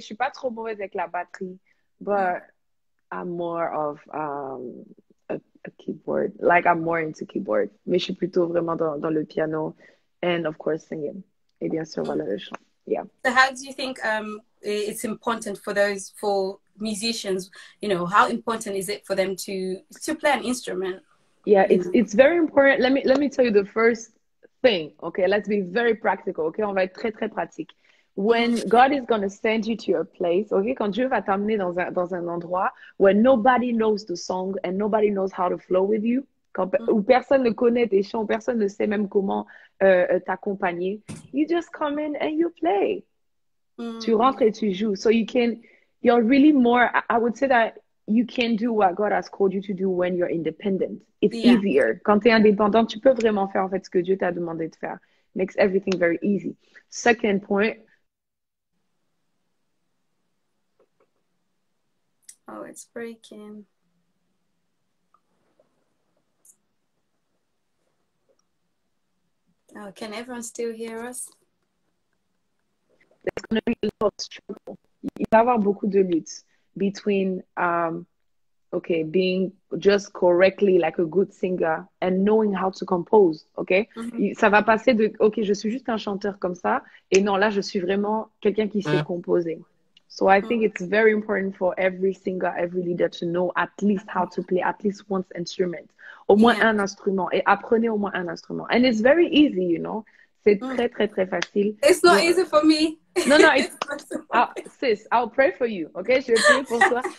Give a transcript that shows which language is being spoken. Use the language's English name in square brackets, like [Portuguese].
[French] Je suis pas trop mauvaise avec la batterie. [English] But I'm more of a keyboard. Like, I'm more into keyboard. [French] Mais je suis plutôt vraiment dans le piano. [English] And of course, singing. [French] Et bien sûr, voilà le chant. Yeah. [English] So how do you think it's important for those, for musicians, you know, how important is it for them to play an instrument? Yeah, it's very important. Let me tell you the first thing, okay? Let's be very practical, okay? [French] On va être très, très pratique. [English] When God is going to send you to a place, okay? [French] Quand Dieu va t'amener dans un endroit [English] where nobody knows the song and nobody knows how to flow with you, [French] où personne ne connaît tes chants, personne ne sait même comment t'accompagner. [English] You just come in and you play. [French] Tu rentres et tu joues. [English] So you can, you're really more, I would say that you can do what God has called you to do when you're independent. It's easier. [French] Quand tu es indépendant, tu peux vraiment faire en fait ce que Dieu t'a demandé de faire. [English] Makes everything very easy. Second point. Oh, it's breaking. Oh, can everyone still hear us? There's going to be a lot of struggle. You have a [French] beaucoup de luttes [English] between, okay, being just correctly like a good singer and knowing how to compose, okay? Mm-hmm. [French] Ça va passer de, okay, je suis juste un chanteur comme ça, et non, là, je suis vraiment quelqu'un qui sait composer. [English] So I think it's very important for every singer, every leader to know at least how to play at least one instrument. [French] Au moins un instrument. Et apprenez au moins un instrument. [English] And it's very easy, you know. [French] C'est très, très, très facile. [English] It's not easy for me. No, no. Sis, I'll pray for you. Okay? [French] Je vais prier pour toi.